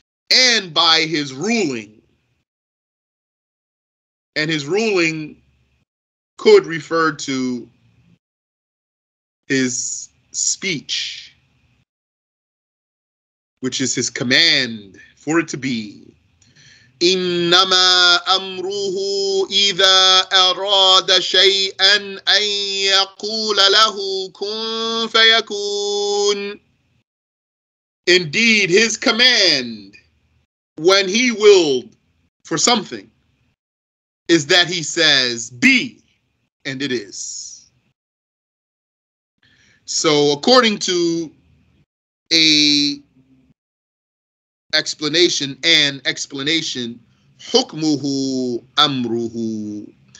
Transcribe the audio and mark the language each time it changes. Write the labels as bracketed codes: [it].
[en] And by his ruling. And his ruling could refer to his speech, which is his command for it to be. [ar] إِنَّمَا أَمْرُهُ إِذَا أَرَادَ شَيْئًا أَنْ يَقُولَ لَهُ كُنْ فَيَكُونَ. [en] Indeed, his command, when he willed for something, is that he says, be, and it is. So, according to a explanation and explanation, [ar] hukmuhu amruhu.